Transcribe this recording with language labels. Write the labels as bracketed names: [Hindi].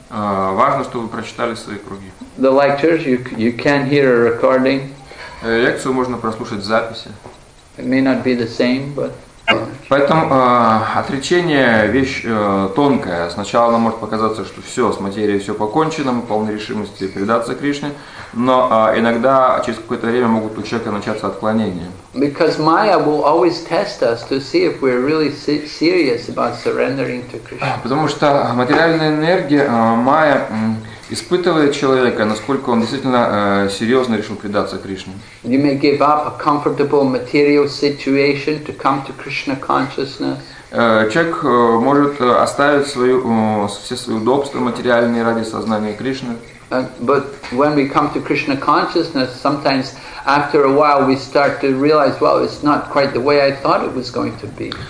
[Russian] Важно, чтобы вы прочитали свои круги. [English] The lectures you can hear a recording. [Russian] Лекцию можно прослушать в записи. [English] It may not be the same, but. [Russian] Поэтому отречение вещь тонкая. Сначала нам может показаться, что все, с материей все покончено, мы полны решимости предаться Кришне. Но иногда через какое-то время могут у человека начаться отклонения. [English] Because Maya will always test us to see if we're really serious about surrendering to Krishna. [Russian] Потому что материальная энергия Maya испытывая человека, насколько он действительно серьезно решил предаться Кришне. [English] You may give up a comfortable material situation to come to Krishna consciousness. [Russian] Человек может оставить свою, все свои удобства материальные ради сознания Кришны. [English] But when we come to Krishna consciousness, sometimes after a while we start to realize, well, it's not quite the way I thought it was going to be.